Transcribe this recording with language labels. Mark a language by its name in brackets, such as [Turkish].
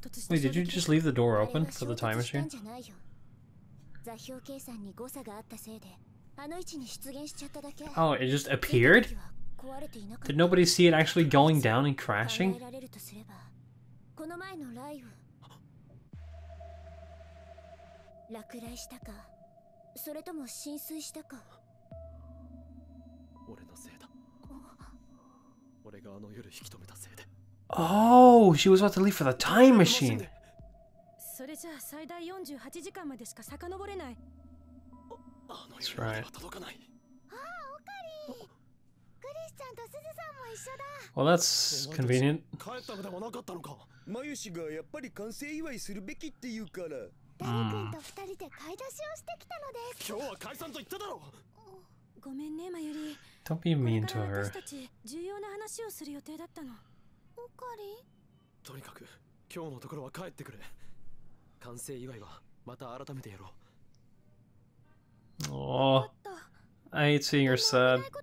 [English] Wait, did you just leave the door open for the time machine? [Japanese] 座標計算に誤差があったせいで、あの位置に出現しちゃっただけ。 [English] Oh, it just appeared? Did nobody see it actually going down and crashing? [Japanese] 考えられるとすれば、この前の雷雨。落雷したか、それとも浸水したか。俺のせいだ。俺があの夜引き止めたせいで。 [English] Oh, she was about to leave for the time machine. [Japanese] それじゃあ最大48時間までしか遡れない。あの夜は届かない。ああ、オカリ。クリスちゃんとスズさんも一緒だ。 [English] Well, that's convenient. [Japanese] 帰ったのではなかったのか。マユシがやっぱり完成祝いするべきって言うから。ダリ君と二人で買い出しをしてきたのです。今日は解散と言っただろう。ごめんね、マユリ。 [English] Don't be mean to her. [Japanese] 私たち重要な話をする予定だったの。オカリ。とにかく今日のところは帰ってくれ。完成祝いはまた改めてやろう。 [English] おお、I hate seeing her sad.